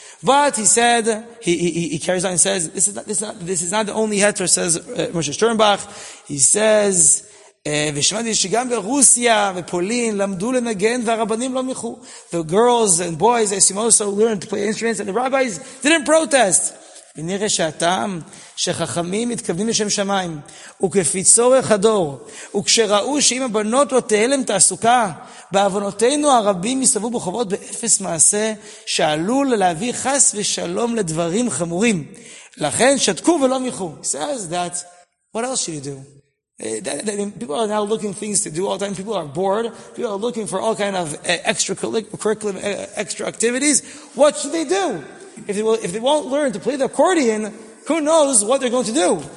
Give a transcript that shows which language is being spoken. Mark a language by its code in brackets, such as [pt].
[en] But he said he carries on and says this is not the only heter, says Moshe Sturmbach. He says [he] ושמעתי שגם ברוסיה ופולין למדו לנגן והרבנים לא מחו. [en] The girls and boys, they seem also learned to play instruments and the rabbis didn't protest. [he] ונראה שהטעם שחכמים מתכוונים לשם שמיים, וכפי צורך הדור, וכשראו שאם הבנות לא תהיה להם תעסוקה, בעוונותינו הרבים יסבו בחובות באפס מעשה, שעלול להביא חס ושלום לדברים חמורים. לכן שתקו ולא מיחו. [en] Says that, what else should you do? People are now looking things to do all the time. People are bored. People are looking for all kind of extracurricular, extra activities. What should they do? If they won't learn to play the accordion, who knows what they're going to do?